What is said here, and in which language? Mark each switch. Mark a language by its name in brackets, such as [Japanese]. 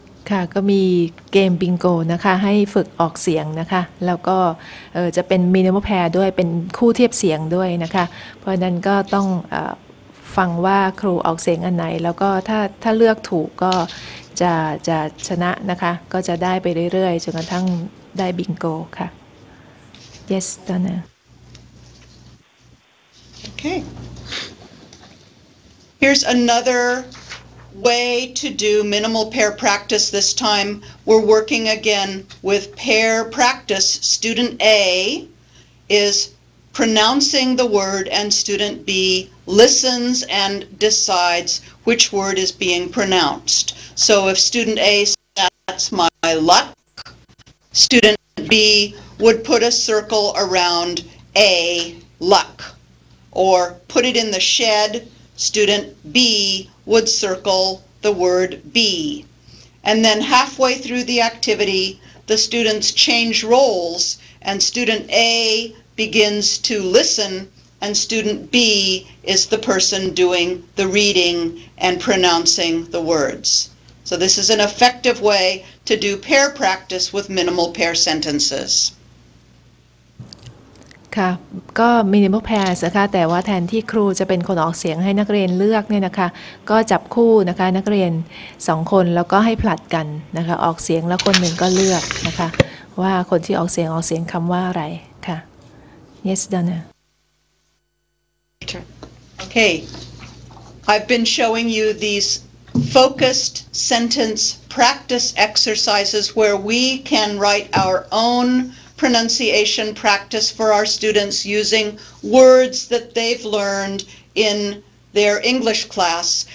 [Thai] ค่ะก็มีเกมบิงโกนะคะให้ฝึกออกเสียงนะคะแล้วก็จะเป็นมินิมอลแพร์ด้วยเป็นคู่เทียบเสียงด้วยนะคะเพราะนั้นก็ต้องฟังว่าครูออกเสียงอันไหนแล้วก็ถ้าเลือกถูกก็จะชนะนะคะก็จะได้ไปเรื่อยๆจนกระทั่งได้บิงโกค่ะ [English] Yes Donna Okay Here's anotherway to do minimal pair practice this time. We're working again with pair practice. Student A is pronouncing the word and student B listens and decides which word is being pronounced. So if student A says, that's my luck, student B would put a circle around A, luck, or put it in the shed, student B would circle the word B. And then halfway through the activity, the students change roles and student A begins to listen and student B is the person doing the reading and pronouncing the words. So this is an effective way to do pair practice with minimal pair sentences. [Thai] ค่ะก็ minimal pairs นะคะแต่ว่าแทนที่ครูจะเป็นคนออกเสียงให้นักเรียนเลือกเนี่ยนะคะก็จับคู่นะคะนักเรียน2คนแล้วก็ให้ผลัดกันนะคะออกเสียงแล้วคนหนึ่งก็เลือกนะคะว่าคนที่ออกเสียงคำว่าอะไรค่ะ [English] Yes Donna Okay I've been showing you these focused sentence practice exercises where we can write our own pronunciation practice for our students using words that they've learned in their English class.